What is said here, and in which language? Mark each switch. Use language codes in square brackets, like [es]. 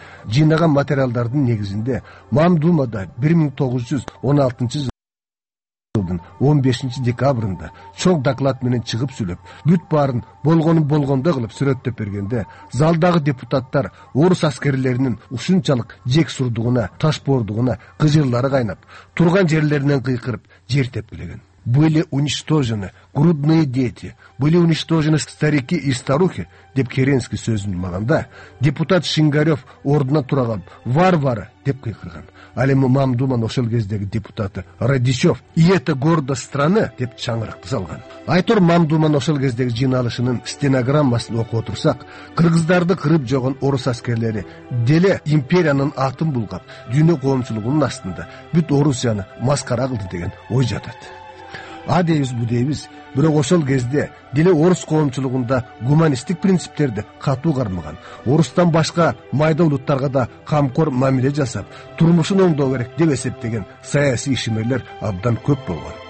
[ky] Жыйнаган материалдардын негизинде мамдумада 1916 жылдын 15 декабрында чоң доклад менен чыгып сүйлөп, бүт баарын болгонун болгондой кылып сүрөттөп бергенде, залдагы депутаттар орус аскерлеринин ушунчалык жек сурдугуна, ташпордугуна кыжырлары кайнап, турган жерлеринен кыйкырып жер тепкилеген. [ru] «Были уничтожены грудные дети, были уничтожены старики и старухи», [ky] деп Керенский сөзүн улаганда, депутат Шингарев ордуна тура калып, [ru] «Варвары!» [ky] деп кыйкырган. Ал эми мамдуман ошол кездеги депутаты Радичев [ru] «И это гордость страны!» [ky] деп чаңыракты салган. Айтор мамдуман ошол кездеги жыйналышынын стенограммасын окуп отурсак, кыргыздарды кырып жогон орус аскерлери деле империянын атын булгап, дүйнө коомчулугунун астында бүт Орусияны маскара кылды деген ой жатат. А дейбиз, бу дейбиз, бирок ошол кезде деле орус коомчулугунда гуманисттик принциптерди катуу кармаган, орустан башка майда улуттарга да камкор мамиле жасап, турмушун оңдоо керек деп эсептеген саясий ишмерлер абдан көп болгон.